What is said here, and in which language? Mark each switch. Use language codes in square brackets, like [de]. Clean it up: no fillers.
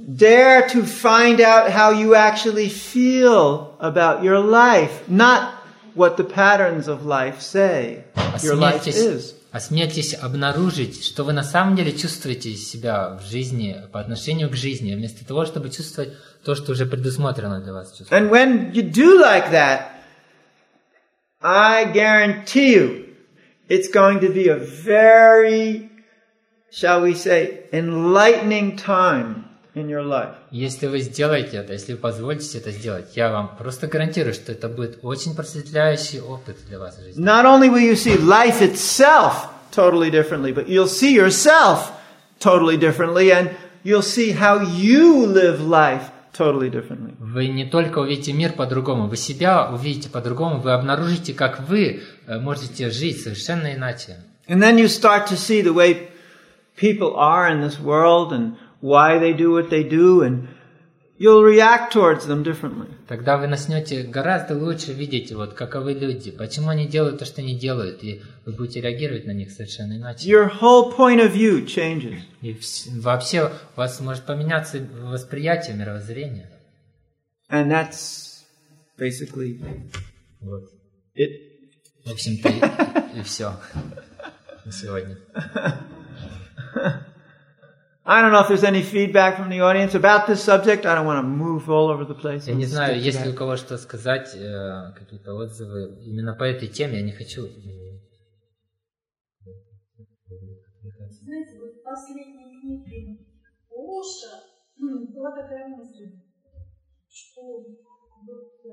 [en] Dare to find out how you actually feel about your life, not what the patterns of life say your life is. [ru] Осмелитесь обнаружить, что вы на самом деле чувствуете себя в жизни, по отношению к жизни, вместо того, чтобы чувствовать то, что уже предусмотрено для вас. [en] And when you do like that, I guarantee you, it's going to be a very, shall we say, enlightening time in your life. [ru] Если вы сделаете это, если вы позволите это сделать, я вам просто гарантирую, что это будет очень просветляющий опыт для вас в жизни. [en] Not only will you see life itself totally differently, but you'll see yourself totally differently, and you'll see how you live life totally differently. [ru] Вы не только увидите мир по-другому, вы себя увидите по-другому, вы обнаружите, как вы можете жить совершенно иначе. [en] And then you start to see the way people are in this world, and why they do what they do, and you'll react towards them differently. [ru] Тогда вы начнете гораздо лучше видеть, вот каковы люди, почему они делают то, что не делают, и вы будете реагировать на них совершенно иначе. [en] Your whole point of view changes. [ru] И вообще у вас может поменяться восприятие, мировоззрение. [en] And that's basically [ru] вот. [en] It. [ru] В общем-то, и все на сегодня. [en] I don't know if there's any feedback from the audience about this subject. I don't want to move all over the place. [ru] Я не знаю, есть ли у кого что сказать, какие-то отзывы именно по этой теме. Я не хочу. Знаете, вот последние книги Михаила Оша была такая мысль, что вот